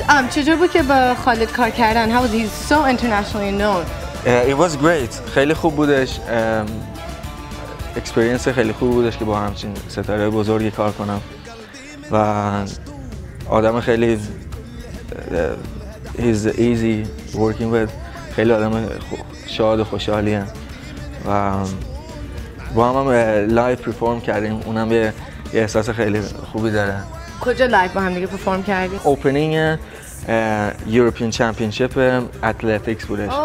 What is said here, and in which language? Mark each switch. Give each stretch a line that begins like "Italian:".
Persian: چجور بود که با خالد کار کردن؟
English: How was he so internationally known? It was great.
Persian: خیلی خوب بودش. اکسپریانس خیلی خوب بودش که با همچین ستاره بزرگی کار کنم. و آدم خیلی
English: he's easy working with.
Persian: خیلی آدم شاد و خوشحالی هست. و با هم
English: live perform
Persian: کردیم. اونم یه احساس خیلی خوبی داره. کجا live با هم دیگه perform کردیم؟
English: Opening European Championship Athletics
Persian: بودش.